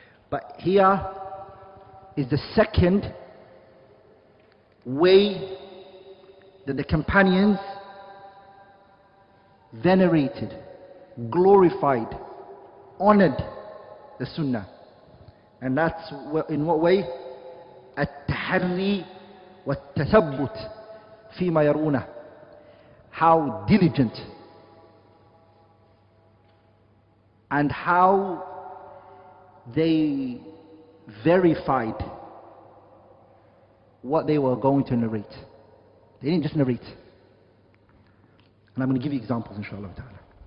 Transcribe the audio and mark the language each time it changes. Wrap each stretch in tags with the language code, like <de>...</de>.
<en>But here is the second way that the companions venerated, glorified, honored the Sunnah. And that's in what way?</en> <ar>التحري والتثبت فيما يرونه.</ar> <en>How diligent and how they verified what they were going to narrate. They didn't just narrate. And I'm going to give you examples inshallah ta'ala.</en>